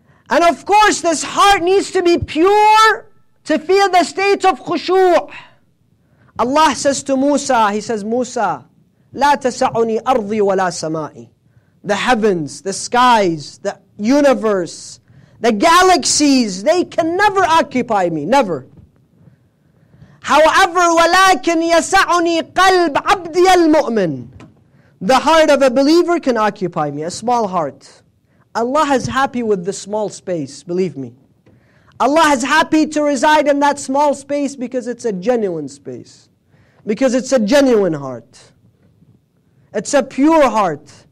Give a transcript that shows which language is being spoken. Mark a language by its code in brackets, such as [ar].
[en] And of course, this heart needs to be pure to feel the state of khushu'. Allah says to Musa, he says, "Musa, [ar] la tasa'uni ardi wa la sama'i." [en] The heavens, the skies, the universe, the galaxies, they can never occupy me, never. However, [ar] وَلَكِنْ يَسَعُنِي قَلْبْ عَبْدِيَ الْمُؤْمِنِ. [en] The heart of a believer can occupy me, a small heart. Allah is happy with the small space, believe me. Allah is happy to reside in that small space because it's a genuine space. Because it's a genuine heart. It's a pure heart.